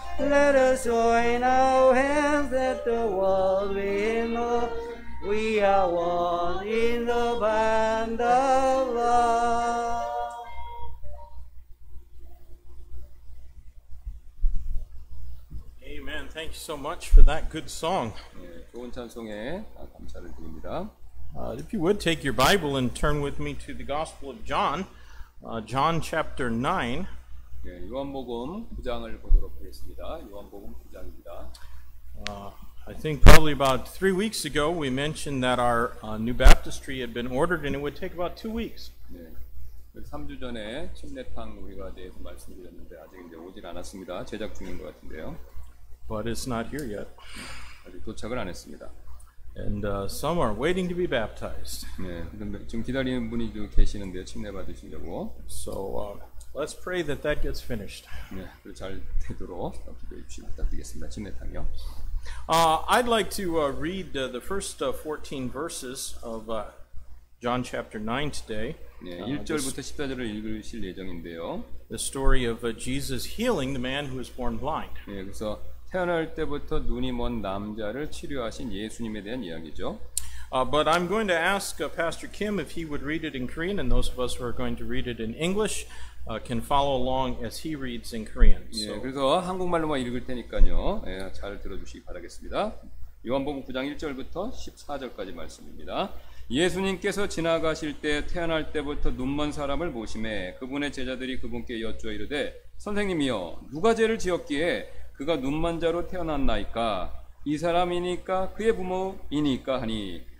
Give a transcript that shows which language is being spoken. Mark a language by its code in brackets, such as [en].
[en] Let us join our hands, let the world be in love. We are one in the band of love. [ko] 아멘. [en] Thank you so much for that good song. [ko] 좋은 찬송에 감사를 드립니다. [en] If you would take your Bible and turn with me to the Gospel of John, John chapter 9. [ko] 네, 요한복음 9장을 보도록 하겠습니다. 요한복음 9장입니다. [en] I think probably about 3 weeks ago we mentioned that our new baptistry had been ordered and it would take about 2 weeks. [ko] 네. 3주 전에 침례탕 우리가 대해서 말씀드렸는데 아직 이제 오질 않았습니다. 제작 중인 것 같은데요. [en] But it's not here yet. [ko] 아직 도착을 안 했습니다. [en] And some are waiting to be baptized. [ko] 네, 지금 기다리는 분이 계시는데요, 침례 받으시려고. [en] So let's pray that that gets finished. [ko] 네, 잘 되도록 기도해 주시기 부탁드리겠습니다. 침례탕이요. [en] I'd like to read the first 14 verses of John chapter 9 today. [ko] 네, 1절부터 14절을 읽으실 예정인데요. [en] The story of Jesus healing the man who was born blind. [ko] 네, 그래서 태어날 때부터 눈이 먼 남자를 치료하신 예수님에 대한 이야기죠. [en] But I'm going to ask Pastor Kim if he would read it in Korean, and those of us who are going to read it in English can follow along as he reads in Korean. So. [ko] 예, 그래서 한국말로만 읽을 테니까요. 예, 잘 들어주시기 바라겠습니다. 요한복음 9장 1절부터 14절까지 말씀입니다. 예수님께서 지나가실 때 태어날 때부터 눈 먼 사람을 보시매 그분의 제자들이 그분께 여쭈어 이르되 선생님이여 누가 죄를 지었기에 그가 눈먼 자로 태어났나이까 이 사람이니까 그의 부모이니까 하니